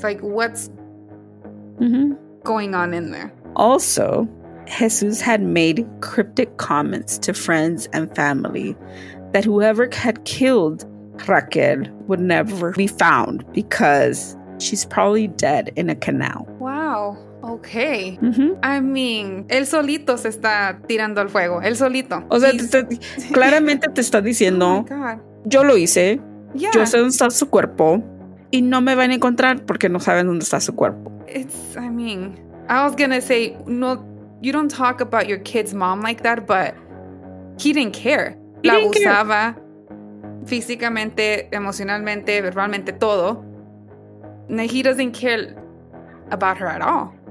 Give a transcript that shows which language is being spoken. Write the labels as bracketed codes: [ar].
[en] Like, what's going on in there? Also, Jesus had made cryptic comments to friends and family that whoever had killed Raquel would never be found because she's probably dead in a canal. Wow. Okay. [es] Mm-hmm. [en] I mean, [es] él solito se está tirando al fuego. Él solito. O sea, claramente te está diciendo, [en] oh my God, [es] yo lo hice. Yeah. Yo sé dónde está su cuerpo y no me van a encontrar porque no saben dónde está su cuerpo. [en] I was gonna say, no, you don't talk about your kid's mom like that, but he didn't care. [es] La abusaba físicamente, emocionalmente, verbalmente, todo. [en] No, he doesn't care about her at all.